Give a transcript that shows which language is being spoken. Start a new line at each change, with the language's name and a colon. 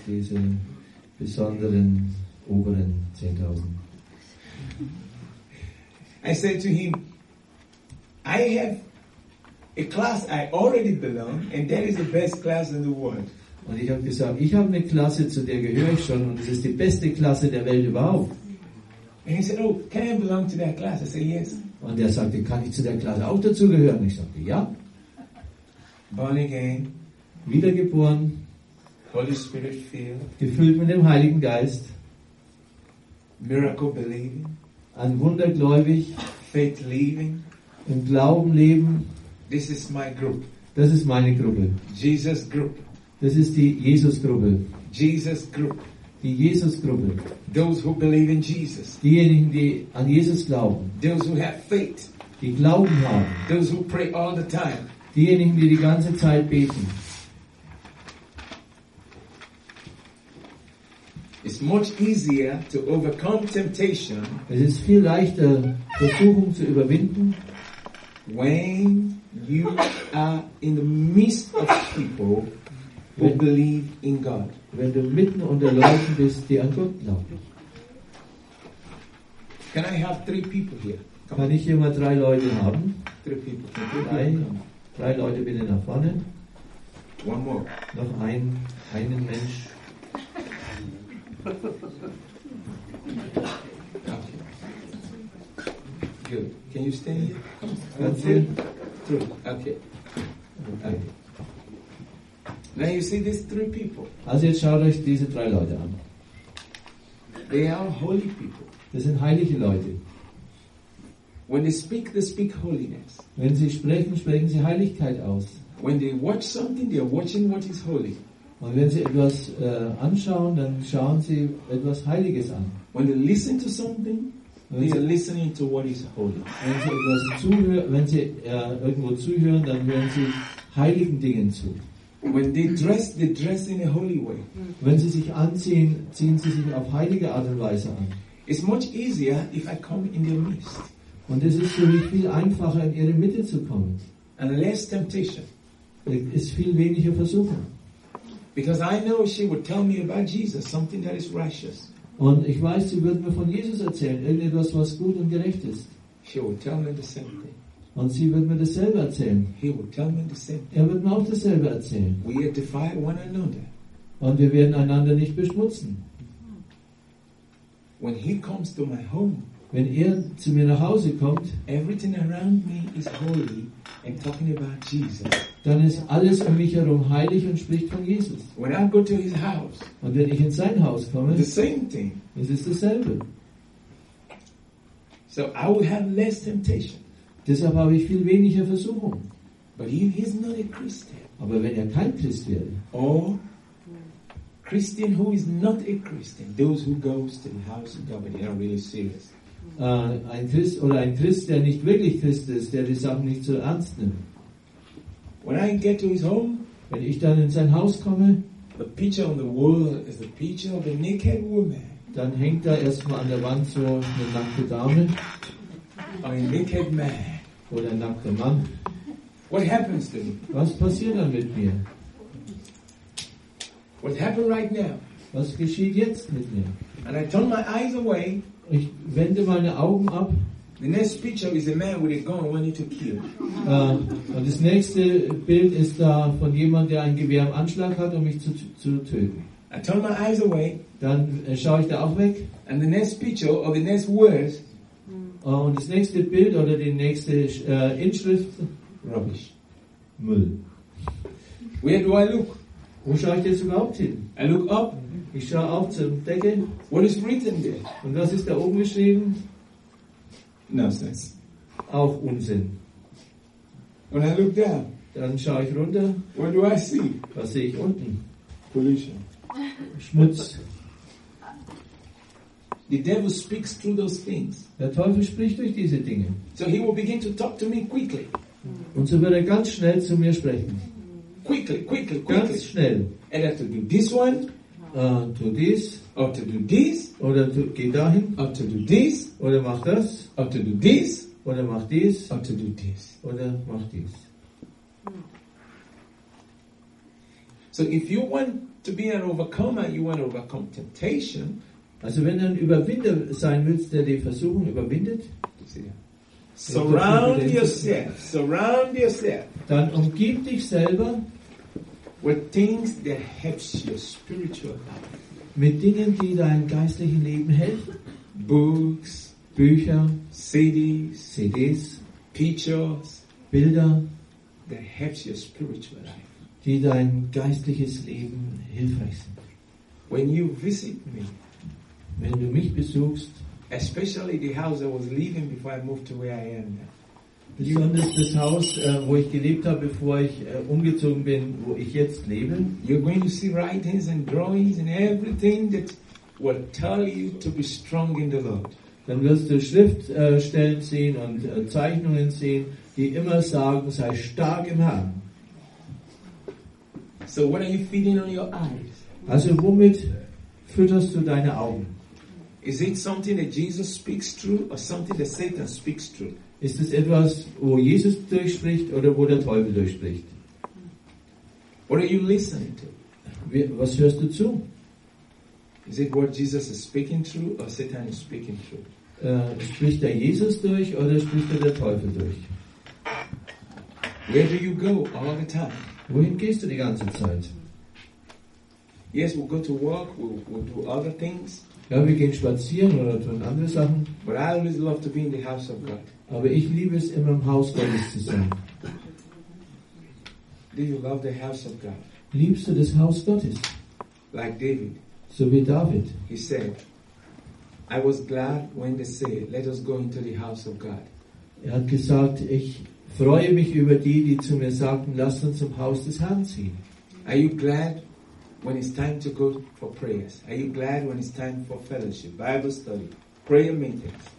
German: diese besonderen oberen 10.000.
English: I said to him, I have a class I already belong, and that is the best class in the world.
German: Und ich habe gesagt, ich habe eine Klasse, zu der gehöre ich schon, und das ist die beste Klasse der Welt überhaupt.
English: And he said, oh, can I belong to that class? I said, yes.
German: Und er sagte, kann ich zu der Klasse auch dazugehören? Ich sagte, ja.
English: Born again.
German: Wiedergeboren.
English: Holy Spirit filled.
German: Gefüllt mit dem Heiligen Geist.
English: Miracle believing.
German: An Wundergläubig.
English: Faith living.
German: Im Glauben leben.
English: This is my group.
German: Das ist meine Gruppe.
English: Jesus group.
German: Das ist die Jesus-Gruppe.
English: Jesus group.
German: Die Jesus-Gruppe.
English: Those who believe in Jesus.
German: Diejenigen, die an Jesus glauben.
English: Those who have faith.
German: Die Glauben haben.
English: Those who pray all the time.
German: Diejenigen, die die ganze Zeit beten.
English: It's much easier to overcome temptation.
German: Es ist viel leichter, Versuchung zu überwinden,
English: when you are in the midst of people who believe in God.
German: Wenn du mitten unter Leuten bist, die an Gott glauben.
English: Can I have three people here? Come.
German: Kann ich hier mal drei Leute haben?
English: Three people.
German: Drei Leute bitte nach vorne.
English: One more.
German: Noch einen Mensch.
English: Okay. Good. Can you stand here? Come. That's it. True. Okay. Now you see these three people.
German: Also jetzt schaut euch diese drei Leute an.
English: They are holy people.
German: Das sind heilige Leute.
English: When they speak holiness.
German: Wenn sie sprechen, sprechen sie Heiligkeit aus.
English: When they watch something, they are watching what is holy.
German: Und wenn sie etwas anschauen, dann schauen sie etwas Heiliges an.
English: When they listen to something, they are listening to what is holy.
German: Wenn sie etwas zuhören, wenn sie irgendwo zuhören, dann hören sie heiligen Dingen zu.
English: When they dress in a holy way.
German: Wenn sie sich anziehen, ziehen sie sich auf heilige Art und Weise an.
English: It's much easier if I come in their midst.
German: Und es ist für mich viel einfacher, in ihre Mitte zu kommen.
English: And less temptation.
German: Es ist viel weniger Versuchung.
English: Because I know she would tell me about Jesus, something that is righteous.
German: Und ich weiß, sie würde mir von Jesus erzählen, irgendetwas, was gut und gerecht ist.
English: She would tell me the same thing.
German: Und sie wird mir dasselbe erzählen.
English: He will tell me the same.
German: Er wird mir auch dasselbe erzählen.
English: We defy one another.
German: Und wir werden einander nicht beschmutzen.
English: When he comes to my home,
German: wenn er zu mir nach Hause kommt,
English: everything around me is holy and talking about Jesus.
German: Dann ist alles um mich herum heilig und spricht von Jesus.
English: When I go to his house,
German: und wenn ich in sein Haus komme,
English: the same thing.
German: Es ist dasselbe.
English: So I will have less temptation.
German: Deshalb habe ich viel weniger Versuchung.
English: But he is not a Christian.
German: Aber wenn er kein Christ wäre.
English: Or Christian who is not a Christian. Those who goes to the house of God, but they are really serious.
German: Ein Christ, der nicht wirklich Christ ist, der die Sachen nicht so ernst nimmt.
English: When I get to his home,
German: wenn ich dann in sein Haus komme,
English: the picture on the wall is a picture of a naked woman.
German: Dann hängt da erstmal an der Wand so eine nackte Dame.
English: A naked man.
German: Oder ein nackter Mann.
English: What happens to me?
German: Was passiert dann mit mir?
English: What happened right now?
German: Was geschieht jetzt mit mir?
English: And I turn my eyes away.
German: Ich wende meine Augen ab.
English: The next picture is a man with a gun wanting to kill.
German: Und das nächste Bild ist da von jemand, der ein Gewehr im Anschlag hat, um mich zu töten.
English: I turn my eyes away.
German: Dann schaue ich da auch weg.
English: And the next picture or the next words.
German: Und das nächste Bild oder die nächste Inschrift?
English: Rubbish.
German: Müll.
English: Where do I look?
German: Wo schaue ich jetzt überhaupt hin?
English: I look up.
German: Ich schaue auf zum Deckel.
English: What is written there?
German: Und was ist da oben geschrieben?
English: Nonsense.
German: Auch Unsinn.
English: When I look down.
German: Dann schaue ich runter.
English: What do I see?
German: Was sehe ich unten?
English: Pollution.
German: Schmutz.
English: The devil speaks through those things.
German: Der Teufel spricht durch diese Dinge.
English: So he will begin to talk to me quickly.
German: Und so wird er ganz schnell zu mir sprechen.
English: Quickly.
German: Ganz schnell.
English: And I have to do this one. To this. Or to do this.
German: Oder geh dahin.
English: Or to do this.
German: Oder mach das.
English: Or to do this.
German: Oder mach dies.
English: Or to do this.
German: Oder mach dies.
English: So if you want to be an overcomer, you want to overcome temptation.
German: Also wenn du ein Überwinder sein willst, der die Versuchung überwindet.
English: Surround yourself.
German: Dann umgib dich selber.
English: With things that helps your spiritual life.
German: Mit Dingen, die dein geistliches Leben helfen.
English: Books.
German: Bücher.
English: CDs. Pictures.
German: Bilder.
English: That helps your spiritual life.
German: Die dein geistliches Leben hilfreich sind.
English: When you visit me.
German: Wenn du mich besuchst.
English: Especially the house I was leaving before I moved to where I am now.
German: Besonders das Haus, wo ich gelebt habe, bevor ich umgezogen bin, wo ich jetzt lebe.
English: You're going to see writings and drawings and everything that will tell you to be strong in the Lord.
German: Dann wirst du Schriftstellen sehen und Zeichnungen sehen, die immer sagen, sei stark im Herrn.
English: So what are you feeding on your eyes?
German: Also womit fütterst du deine Augen?
English: Is it something that Jesus speaks through or something that Satan speaks through?
German: Ist es etwas, wo Jesus durchspricht oder wo der Teufel durchspricht?
English: What are you listening to?
German: Was hörst du zu?
English: Is it what Jesus is speaking through or Satan is speaking through?
German: Spricht der Jesus durch oder spricht der Teufel durch?
English: Where do you go all the time?
German: Wohin gehst du die ganze Zeit?
English: Yes, we'll go to work, we'll do other things.
German: Ja, wir gehen spazieren oder tun andere Sachen.
English: But I always love to be in the house of God.
German: Aber ich liebe es, immer im Haus Gottes zu sein.
English: Do you love the house of God?
German: Liebst du das Haus Gottes?
English: Like David.
German: So wie David.
English: He said, I was glad when they said, let us go into the house of God.
German: Er hat gesagt, ich freue mich über die, die zu mir sagten, lasst uns zum Haus des Herrn ziehen.
English: Are you glad when it's time to go for prayers? Are you glad when it's time for fellowship, Bible study, prayer meetings?